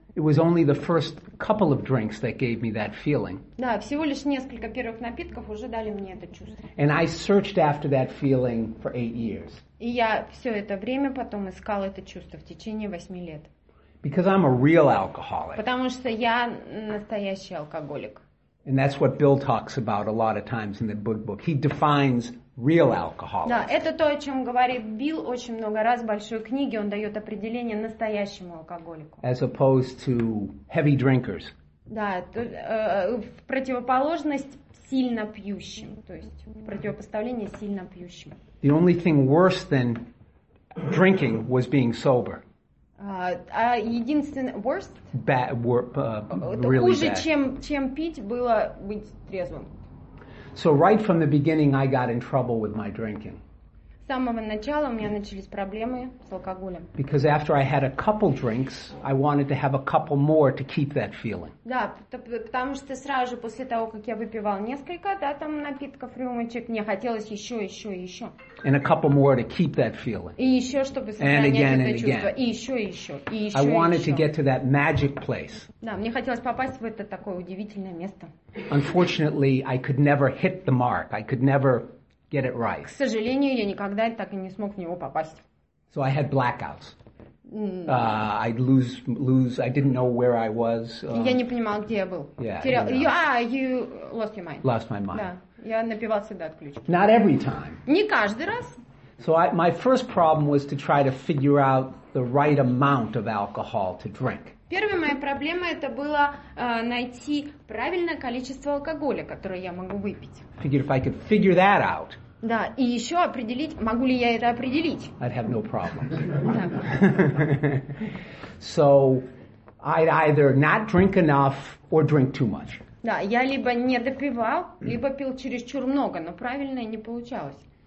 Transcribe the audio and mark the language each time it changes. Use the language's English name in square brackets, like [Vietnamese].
[English] It was only the first couple of drinks that gave me that feeling. [Russian] Да, всего лишь несколько первых напитков уже дали мне это чувство. [English] And I searched after that feeling for 8 years. [Russian] И я все это время потом искал это чувство в течение 8 лет. [English] Because I'm a real alcoholic. [Russian] Потому что я настоящий алкоголик. [English] And that's what Bill talks about a lot of times in the book. He defines real alcoholic. [Russian] Да, это то, о чем говорит Билл очень много раз в большой книге. Он дает определение настоящему алкоголику. [English] As opposed to heavy drinkers. [Russian] Да, то, в противоположность сильно пьющим, то есть в противопоставление сильно пьющим. [English] The only thing worse than drinking was being sober. [Russian] Единственное, worst? [English] Bad, really [Russian] хуже, [English] bad. [Russian] Чем пить, было быть трезвым. [English] So right from the beginning, I got in trouble with my drinking. [Russian] С самого начала у меня начались проблемы с алкоголем. [English] Because after I had a couple drinks, I wanted to have a couple more to keep that feeling. [Russian] Да, потому что сразу после того, как я выпивал несколько, да, там напитков, рюмочек, мне хотелось еще. [English] And a couple more to keep that feeling. [Russian] И еще, чтобы сохранять это чувство. [English] And again, and again. [Russian] И еще. [English] I wanted to get to that magic place. [Russian] Да, мне хотелось попасть в это такое удивительное место. [English] Unfortunately, I could never hit the mark. I could never get it right. [Russian] К сожалению, я никогда так и не смог в него попасть. [English] So I had blackouts. I'd lose. I didn't know where I was. [Russian] Я не понимал, где я был. [English] Yeah. You lost your mind. Lost my mind. [Russian] Да. Я напивался до отключки. [English] Not every time. [Russian] Не каждый раз. [English] So my first problem was to try to figure out the right amount of alcohol to drink. [Russian] Первая моя проблема это было найти правильное количество алкоголя, которое я могу выпить. [English] Figure if I could figure that out. [Russian] Да, и еще определить, могу ли я это определить. [English] I'd have no problem. [Russian] Да. [English] So I'd either not drink enough or drink too much. [Russian] Да, я либо не допивал, либо пил чересчур много, но правильное не получалось.